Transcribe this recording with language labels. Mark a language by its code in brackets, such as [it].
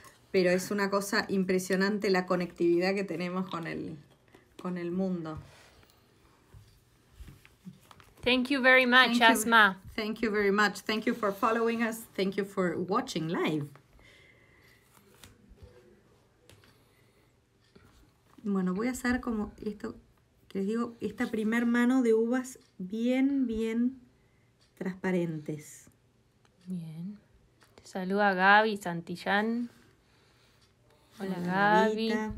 [es] Pero es una cosa impresionante la conectividad que tenemos con el mundo. [en] Thank you very much, Asma. Thank you very much. Thank you for following us. Thank you for watching live. [es] Bueno, voy a hacer como esto, que les digo, esta primer mano de uvas bien, bien transparentes. Bien. Te saluda Gaby Santillán. Hola, Gaby.